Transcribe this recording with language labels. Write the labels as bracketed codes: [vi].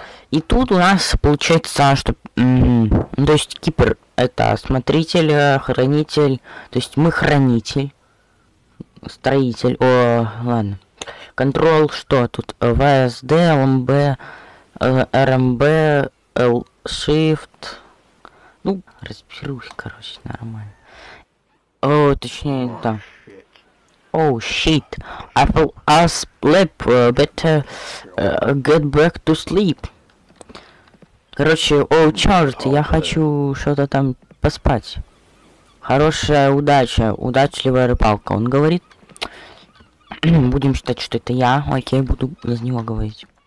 [ru] И тут у нас получается, что... то есть Keeper это смотритель, хранитель, то есть мы хранитель, строитель, о, ладно. Контрол, что тут? ВСД, ЛМБ, РМБ, Л-Shift. Ну, разберусь, короче, нормально. О, точнее, да. [en] Oh shit, I fell asleep, better get back to sleep. [ru] Короче, oh черт, я хочу что-то там поспать. Хорошая удача, удачливая рыбалка, он говорит. Будем считать, что это я, окей, буду за него говорить.